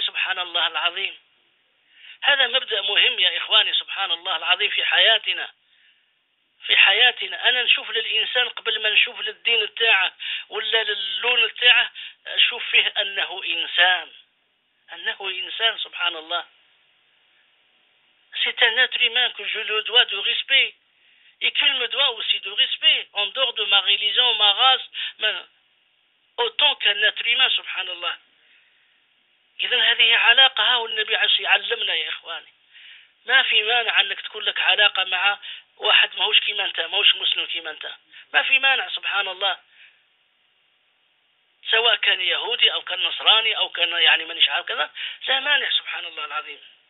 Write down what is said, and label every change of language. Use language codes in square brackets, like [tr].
[ar] سبحان الله العظيم، هذا مبدأ مهم يا إخواني. سبحان الله العظيم، في حياتنا، في حياتنا أنا نشوف للإنسان قبل ما نشوف للدين تاعه ولا للون تاعه، أشوف فيه أنه إنسان، أنه إنسان. [fr] سبحان الله، c'est un être humain que je le dois de respect et qu'il me doit aussi de respect en dehors de ma religion, ma race, mais autant qu'un être humain. [ar] سبحان الله، إذن هذه علاقة، ها والنبي عليه يعلمنا يا إخواني، ما في مانع أنك تكون لك علاقة مع واحد ماهوش كيما انت، ماهوش مسلم كيما انت، ما في مانع. سبحان الله، سواء كان يهودي او كان نصراني او كان يعني مانيش عارف كذا، لا مانع. سبحان الله العظيم.